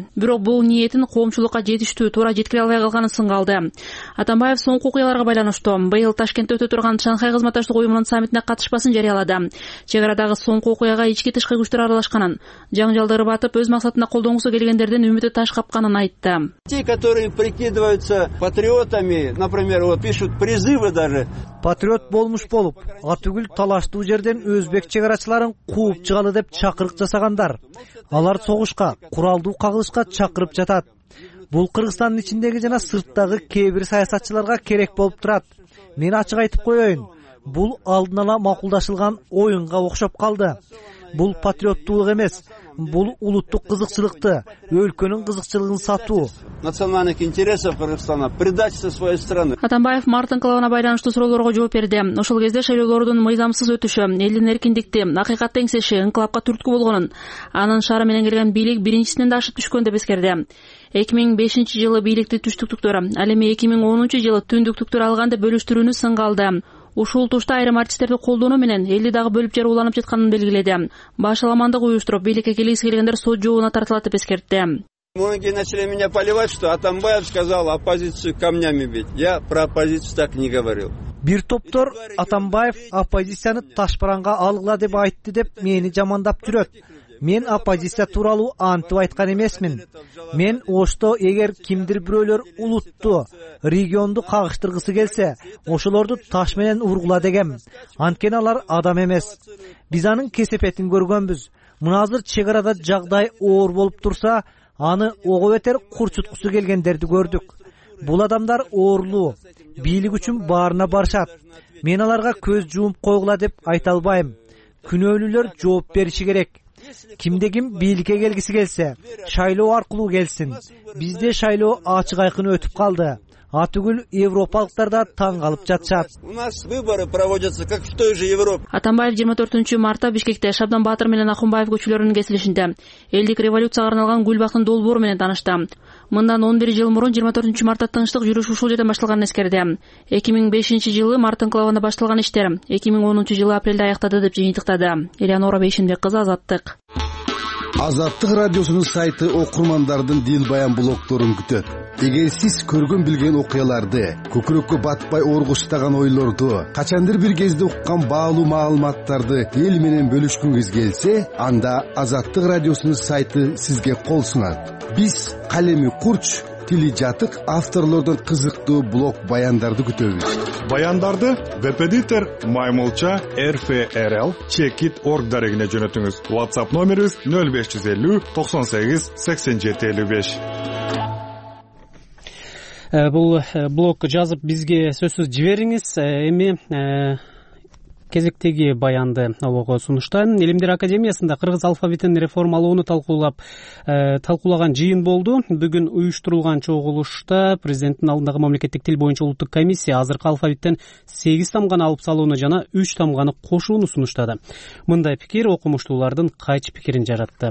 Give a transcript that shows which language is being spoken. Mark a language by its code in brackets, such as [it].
[ky] Бирок бул ниетин коомчулукка жетиштүү туура жеткире албай калганын сынга алды. Атамбаев соңку окуяларга байланыштуу быйыл Ташкентте өтө турган Шанхай кызматташтык уюмунун саммитине катышпасын жарыялады. Чек арадагы соңку окуяга ички тышкы күчтөр аралашканын, жаңжалдар батып өз максатына колдонгусу келгендердин үмүтү таш капканын айтты. [ru] Те, которые прикидываются патриотами, например, вот пишут призывы даже. [ky] Патриот болмуш болуп, атүгүл талаштуу жерден өзбек чек арачыларын кууп чыгалы деп чакырык жасагандар. Алар согушка, куралдуу кагылышка чакырып жатат. Бул Кыргызстандын ичиндеги жана сырттагы кээ бир саясатчыларга керек болуп турат. Мен ачык айтып коеюн, бул алдын ала макулдашылган оюнга окшоп калды. Бул патриоттуулук эмес, бул улуттук кызыкчылыкты, өлкөнүн кызыкчылыгын сатуу. [ru] Национальных интересов Кыргызстана, предательство своей страны. [ky] Атамбаев Мартин Калавына байланыштуу суроолорго жооп берди. Ошол кезде шайлоолордун мыйзамсыз өтүшү, элдин эркиндикти, акыйкат теңсеши инкылапка түрткү болгонун, анын шаары менен келген бийлик биринчисинен да ашып түшкөн деп эскерди. 2005 жылы бийликти түштүктүктөр, ал эми 2010 жылы түндүктүктөр алган деп бөлүштүрүүнү сынга алды. Ушул тушта айрым артисттерди колдонуу менен элди дагы бөлүп жарып уланып жатканын белгиледи. Башаламандык уюштуруп бийликке келгиси келгендер сот жообуна тартылат деп эскертти. [ru] Многие начали меня поливать, что Атамбаев сказал оппозицию камнями бить. Я про оппозицию так не говорил. [ky] Бир топтор Атамбаев оппозицияны таш баранга алгыла деп айтты деп мени жамандап жүрөт. Мен оппозиция туралуу антып айткан эмесмин. Мен ошто эгер кимдир бирөөлөр улутту, регионду кагыштыргысы келсе, ошолорду таш менен ургула дегем. Анткени алар адам эмес. Биз анын кесепетин көргөнбүз. Мунаазыр чек арада жагдай оор болуп турса, аны ого бетер курчуткусу келгендерди көрдүк. Бул адамдар оорлуу, бийлик үчүн баарына барышат. Мен аларга көз жумуп койгула деп айта албайм. Күнөөлүүлөр жооп бериши керек. Кимде ким бийликке келгиси келсе, шайлоо аркылуу келсин. Бизде шайлоо ачык айкын өтүп калды. Атүгүл европалыктар да таң калып жатышат. [ru] У нас выборы проводятся как в той же Европе. [ky] Атамбаев 24 мартта Бишкекте Шабдан Баатыр менен Акунбаев көчөлөрүнүн кесилишинде элдик революцияга арналган гүл бактын долбоору менен таанышты. Мындан 11 жыл мурун 24 мартта тынчтык жүрүшү ушул жерден башталганын эскерди. 2005 жылы Мартын клавында башталган иштер 2010 жылы апрелде аяктады деп жыйынтыктады. Элеонора Бейшенбек кызы, Азаттык. Азаттык радиосунун сайты окурмандардын дил баян блогдорун күтөт. Эгер сиз көргөн билген окуяларды, көкүрөккө батпай оргуштаган ойлорду, качандыр бир кезде уккан баалуу маалыматтарды эл менен бөлүшкүңүз келсе, анда Азаттык радиосунун сайты сизге кол сунат. Биз калеми курч, тили жатык авторлордон кызыктуу блог баяндарды күтөбүз. Баяндарды Wepediter маймылча rfrl chekit.org дарегине жөнөтүңүз. WhatsApp номерибиз 0550 98 8755. Бул блог жазып бизге сөзсүз жибериңиз. Эми кезектеги баянды ого сунуштайм. Илимдер академиясында кыргыз алфавитин реформалоону талкуулаган жыйын болду. Бүгүн уюштурулган чогулушта президенттин алдындагы мамлекеттик тил боюнча улуттук комиссия азыркы алфавиттен 8 тамганы алып салууну жана 3 тамганы кошууну сунуштады. Мындай пикир окумуштуулардын кайчы пикирин жаратты.